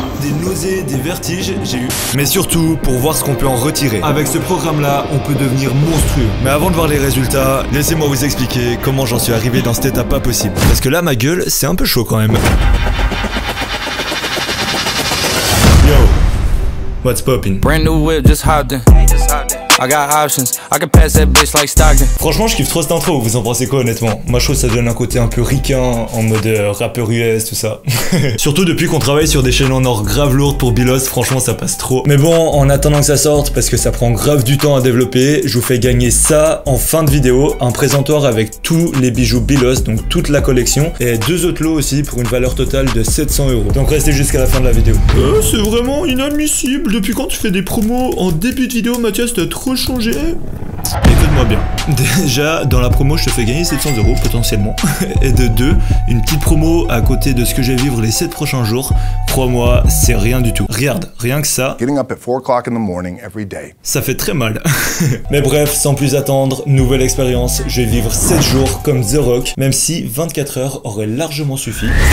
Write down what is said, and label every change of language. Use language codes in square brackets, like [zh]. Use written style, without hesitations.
[fr] Des nausées, des vertiges, j'ai eu. Mais surtout, pour voir ce qu'on peut en retirer. Avec ce programme-là, on peut devenir monstrueux. Mais avant de voir les résultats, laissez-moi vous expliquer comment j'en suis arrivé dans cet état pas possible. Parce que là, ma gueule, c'est un peu chaud quand même. [en] Yo, what's poppin'? Brand new whip, just hopped in. I got options, I can pass that bitch like Stockton. [fr] Franchement, je kiffe trop cette intro, vous en pensez quoi honnêtement? Moi, je trouve ça donne un côté un peu ricain, en mode rappeur US, tout ça. Surtout depuis qu'on travaille sur des chaînes en or grave lourdes pour Bilos, franchement, ça passe trop. Mais bon, en attendant que ça sorte, parce que ça prend grave du temps à développer, je vous fais gagner ça en fin de vidéo, un présentoir avec tous les bijoux Bilos, donc toute la collection, et deux autres lots aussi pour une valeur totale de 700€. Donc restez jusqu'à la fin de la vidéo. C'est vraiment inadmissible, depuis quand tu fais des promos en début de vidéo, Mathias, t'as trop changer. Écoute-moi bien. Déjà, dans la promo, je te fais gagner 700€ potentiellement. Et de deux, une petite promo à côté de ce que je vais vivre les 7 prochains jours. Crois-moi, c'est rien du tout. Regarde, rien que ça. [en] Getting up at 4 o'clock in the morning every day. [fr] Ça fait très mal. Mais bref, sans plus attendre, nouvelle expérience. Je vais vivre 7 jours comme The Rock, même si 24 heures auraient largement suffi.